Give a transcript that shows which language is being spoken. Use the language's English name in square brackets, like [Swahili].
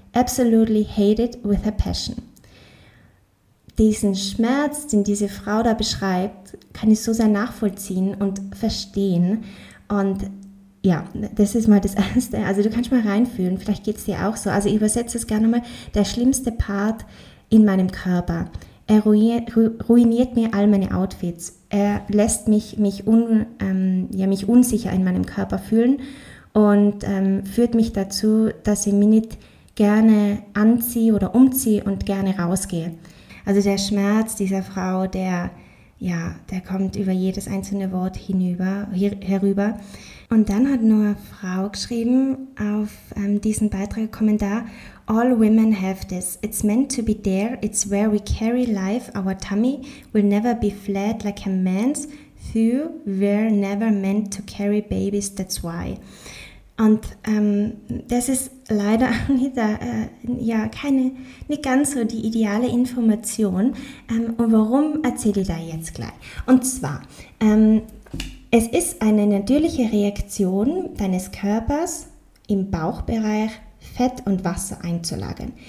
[English] Absolutely hate it with a passion." [German] Diesen Schmerz, den diese Frau da beschreibt, kann ich so sehr nachvollziehen und verstehen. Und ja, das ist mal das Erste. Also du kannst mal reinfühlen, vielleicht geht es dir auch so. Also ich übersetze es gerne mal: der schlimmste Part in meinem Körper. Er ruiniert mir all meine Outfits. Er lässt mich unsicher in meinem Körper fühlen und führt mich dazu, dass ich mich nicht gerne anziehe oder umziehe und gerne rausgehe. Also der Schmerz dieser Frau, der kommt über jedes einzelne Wort herüber. Und dann hat nur eine Frau geschrieben auf diesen Beitrag, Kommentar: [English] "All women have this. It's meant to be there. It's where we carry life. Our tummy will never be flat like a man's. Through, we're never meant to carry babies. That's why." [German] Und das ist leider nicht ganz so die ideale Information. Und warum erzähle ich da jetzt gleich? Und zwar, es ist eine natürliche Reaktion deines Körpers, im Bauchbereich Fett und Wasser einzulagern.